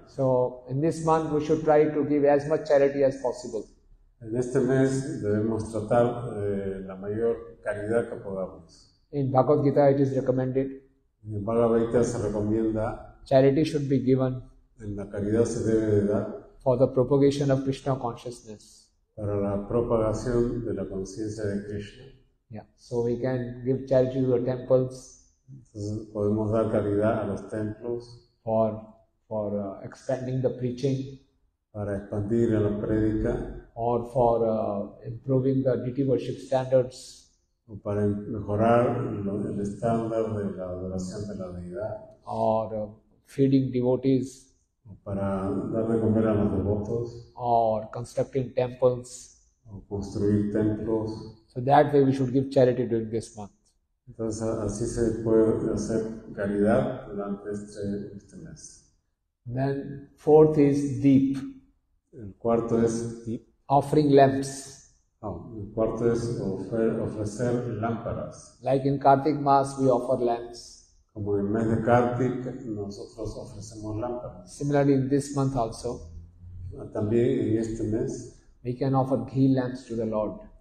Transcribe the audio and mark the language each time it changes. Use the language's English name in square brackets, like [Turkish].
[English] So in this month we should try to give as much charity as possible. [Spanish] En este mes debemos tratar la mayor caridad que podamos. [English] In Bhagavad Gita it is recommended. [Spanish] En Bhagavad Gita se recomienda. [English] Charity should be given. [Spanish] En la caridad se debe de dar. [English] For the propagation of Krishna consciousness. [Spanish] Para la propagación de la conciencia de Krishna. [English] Yeah, so we can give charity to the temples. [Spanish] Podemos dar caridad a los templos. [English] For expanding the preaching. [Spanish] Para expandir la predica. [English] Or for improving the deity worship standards. [Spanish] O para mejorar el estándar de la adoración de la deidad. [English] Or feeding devotees. [Spanish] O para dar de comer a los devotos. [English] Or constructing temples. [Spanish] O construir templos. [English] So that way we should give charity during this month. [Spanish] Entonces así se puede hacer caridad durante este mes. [English] Then fourth is deep. [Spanish] El cuarto es deep. [English] Offering lamps. [Spanish] El cuarto es ofrecer lámparas. [English] Like in Kartik mass we offer lamps. [Spanish] Como en el mes de Kartik nosotros ofrecemos lámparas. [English] Similarly in this month also. [Spanish] También en este mes. [English] We can offer ghee lamps to the Lord.